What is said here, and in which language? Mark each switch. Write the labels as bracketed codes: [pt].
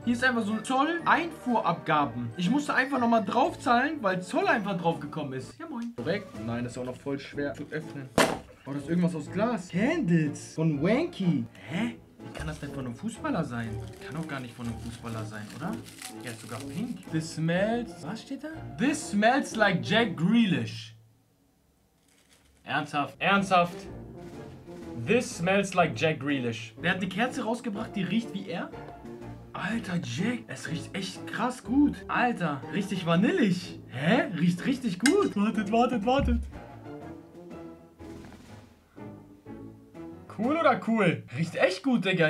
[de] Hier ist einfach so ein Zoll-Einfuhrabgaben. Ich musste einfach nochmal drauf zahlen, weil Zoll einfach drauf gekommen ist. Ja, moin. Korrekt. Nein, das ist auch noch voll schwer zu öffnen. Oh, das ist irgendwas aus Glas. Candles von Wanky. Hä? Wie kann das denn von einem Fußballer sein? Kann auch gar nicht von einem Fußballer sein, oder? Der ist sogar pink. [en] This smells... [de] Was steht da? [en] This smells like Jack Grealish. Ernsthaft? Ernsthaft? This smells like Jack Grealish. [de] Der hat eine Kerze rausgebracht, die riecht wie er? Alter, Jack, es riecht echt krass gut. Alter, richtig vanillig. Hä? Riecht richtig gut. Wartet, wartet, wartet. Cool oder cool? Riecht echt gut, Digga.